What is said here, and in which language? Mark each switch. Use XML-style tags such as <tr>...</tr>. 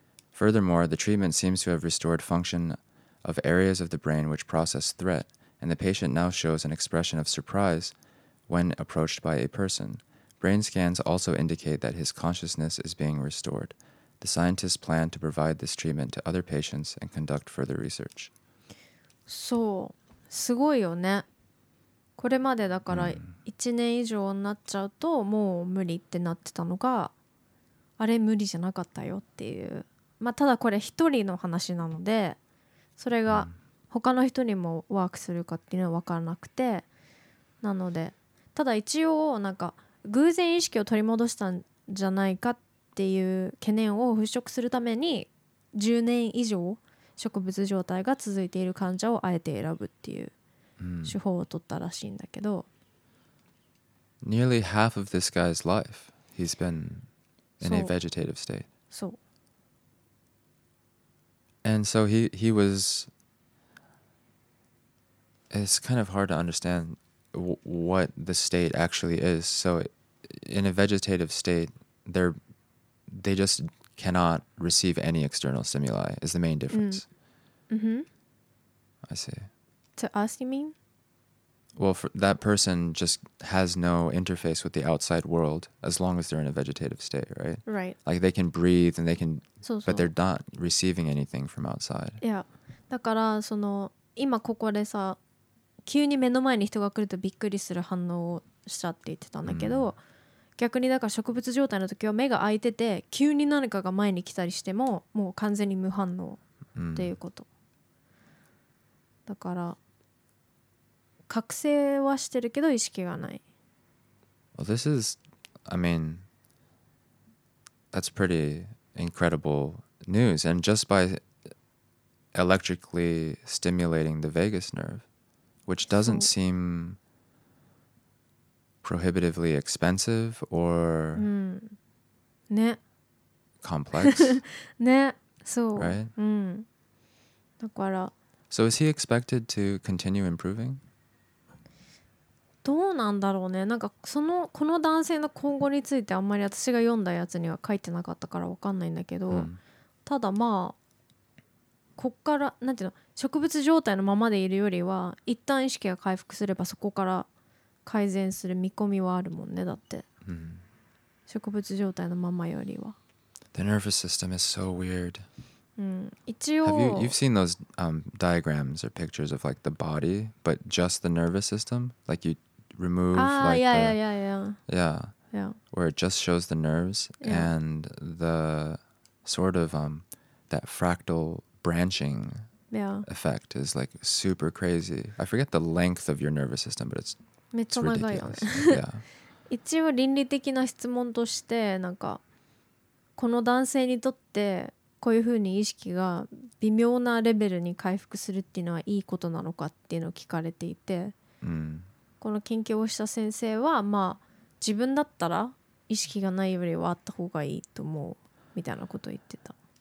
<en>Furthermore, the treatment seems to have restored function of areas of the brain which process threat, and the patient now shows an expression of surprise when approached by a person. Brain scans also indicate that his consciousness is being restored. The scientists plan to provide this treatment to other patients and conduct further research.</en> <ja>そう、すごいよね。これまでだから1年以上になっちゃうともう無理ってなってたのが、あれ無理じゃなかったよっていう。まあただこれ一人の話なので、それが他の人にもワークするかっていうのは分からなくて、なので、ただ一応なんか偶然意識を取り戻したんじゃないかっていう懸念を払拭するために10年以上植物状態が続いている患者をあえて選ぶっていう手法を取ったらしいんだけど、</ja> <en>Nearly half of this guy's life he's been in a vegetative state.</en> <ja>そう。</ja> <en>And so he was, it's kind of hard to understand what the state actually is. So in a vegetative state, they just cannot receive any external stimuli is the main difference. Mm-hmm. I see. To us, you mean? Well, that person just has no interface with the outside world as long as they're in a vegetative state, right? Right. Like they can breathe and they can, so. But they're not receiving anything from outside. Yeah.</en> <ja>だからその今ここでさ、急に目の前に人が来るとびっくりする反応をしたって言ってたんだけど、逆にだから植物状態の時は目が開いてて、急に何かが前に来たりしてももう完全に無反応っていうこと。だから。覚醒はしてるけど意識がない。</ja> <en>Well, this is, I mean, that's pretty incredible news. And just by electrically stimulating the vagus nerve, which doesn't seem prohibitively expensive or complex.</en> <ja>ね、そう。</ja> <en>Right?</en> <ja>だから。</ja> <en>So is he expected to continue improving?</en> <ja>どうなんだろうね。なんかそのこの男性の今後についてあんまり私が読んだやつには書いてなかったからわかんないんだけど、うん、ただまあこっからなんていうの、植物状態のままでいるよりは一旦意識が回復すればそこから改善する見込みはあるもんね。だって、うん、植物状態のままよりは。</ja> <en>The nervous system is so weird.</en> <ja>うん、一応。</ja> <en>Have you've seen those diagrams or pictures of like the body, but just the nervous system, like youremove like where it just shows the nerves and the sort of that fractal branching effect is like super crazy. I forget the length of your nervous system, but it's</en> <ja>めっちゃ長いよね。</ja> <en>yeah.</en> <ja>一応倫理的な質問としてなんかこの男性にとってこういうふうに意識が微妙なレベルに回復するっていうのはいいことなのかっていうのを聞かれていて、この研究をした先生は、まあ、自分だったら意識がないよりはあった方がいいと思うみたいなことを言ってた。</ja>